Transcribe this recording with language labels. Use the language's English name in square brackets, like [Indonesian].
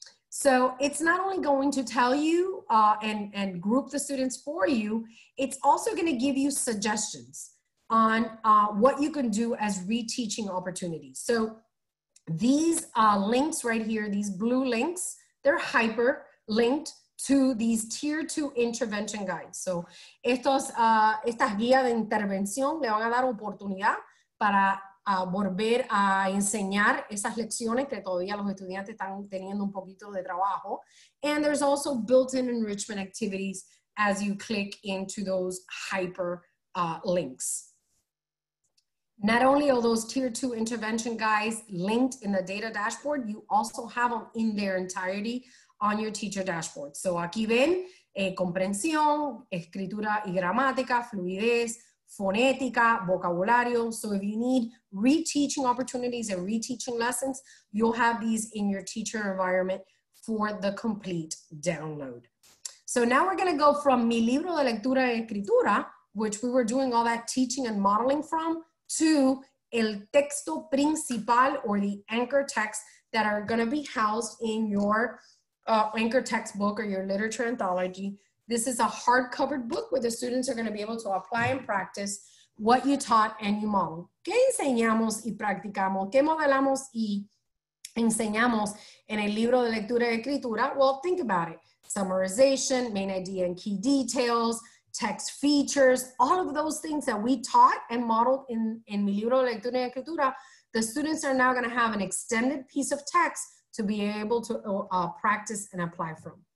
[English] So it's not only going to tell you and group the students for you, it's also gonna give you suggestions on what you can do as reteaching opportunities. So these links right here, these blue links, they're hyperlinked to these tier 2 intervention guides. [Spanish] So estos, estas guías de intervención le van a dar oportunidad para volver a enseñar esas lecciones que todavía los estudiantes están teniendo un poquito de trabajo. [English] And there's also built-in enrichment activities as you click into those hyper links. Not only are those tier 2 intervention guides linked in the data dashboard, you also have them in their entirety on your teacher dashboard. [Spanish] So aquí ven comprensión, escritura y gramática, fluidez, fonética, vocabulario. [English] So if you need reteaching opportunities and reteaching lessons, you'll have these in your teacher environment for the complete download. So now we're gonna go from [Spanish] mi libro de lectura y escritura, [English] which we were doing all that teaching and modeling from, to [Spanish] el texto principal [English] or the anchor text that are gonna be housed in your anchor textbook or your literature anthology. This is a hard-covered book where the students are gonna be able to apply and practice what you taught and you model. [Spanish] ¿Qué enseñamos y practicamos? ¿Qué modelamos y enseñamos en el libro de lectura y escritura? [English] Well, think about it. Summarization, main idea and key details, text features, all of those things that we taught and modeled in [Spanish] mi libro de lectura y escritura, [English] the students are now gonna have an extended piece of text to be able to practice and apply from.